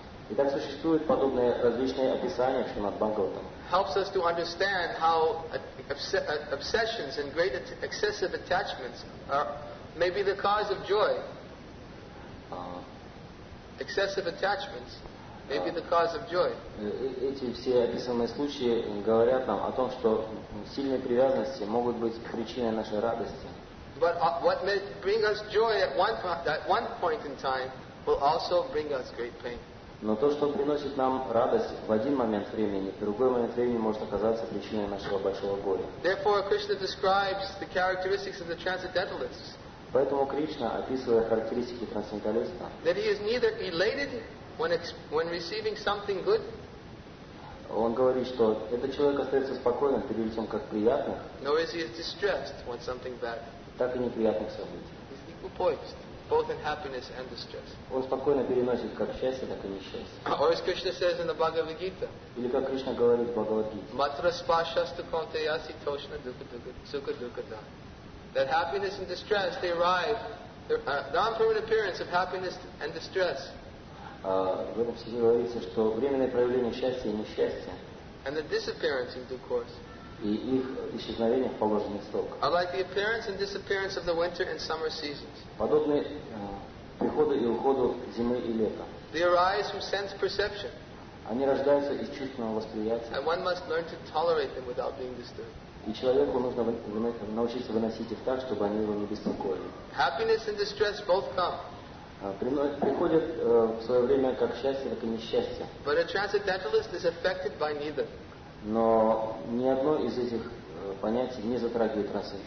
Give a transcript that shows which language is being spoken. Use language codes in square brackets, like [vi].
[ru] И так существуют подобные различные описания в Шримад Бхагаватам. [en] Helps us to understand how obsessions and great excessive attachments are may be the cause of joy. Excessive attachments may be the cause of joy. [ru] Эти все описанные случаи говорят нам о том, что сильные привязанности могут быть причиной нашей радости. [en] But what may bring us joy at one point in time will also bring us great pain. [ru] Но то, что приносит нам радость в один момент времени, в другой момент времени может оказаться причиной нашего большого горя. [en] Therefore, Krishna describes the characteristics of the transcendentalists. [ru] Поэтому Кришна, описывая характеристики трансценденталиста, [en] that he is neither elated when receiving something good. [ru] Он говорит, что этот человек остается спокойным перед тем, как приятных. [en] Nor is he distressed when something bad. [ru] Так и неприятных событий. [en] He's equal poised, both in happiness and distress. [ru] Он спокойно переносит как счастье, так и несчастье. [en] Or as Krishna says in the Bhagavad Gita. [ru] Или как Кришна говорит в Бхагавад-гите. [sa] Matra spashastu kanteyasi toshna sukha dukkha. [en] That happiness and distress they arrive, non-permanent appearance of happiness and distress. [ru] В этом стихе говорится, что временное проявление счастья и несчастья. [en] And the disappearance in due course. [ru] И их исчезновение в положенный срок. [en] Are like the appearance and disappearance of the winter and summer seasons. [ru] Подобны приходу и уходу зимы и лета. [en] They arise from sense perception. [ru] Они рождаются из чувственного восприятия. [en] And one must learn to tolerate them without being disturbed. [ru] И человеку нужно научиться выносить их так, чтобы они его не беспокоили. [en] Happiness and distress both come. [ru] Приходят в свое время как счастье, так и несчастье. [en] But a transcendentalist is affected by neither. [ru] Но ни одно из этих понятий не затрагивает трансцендент.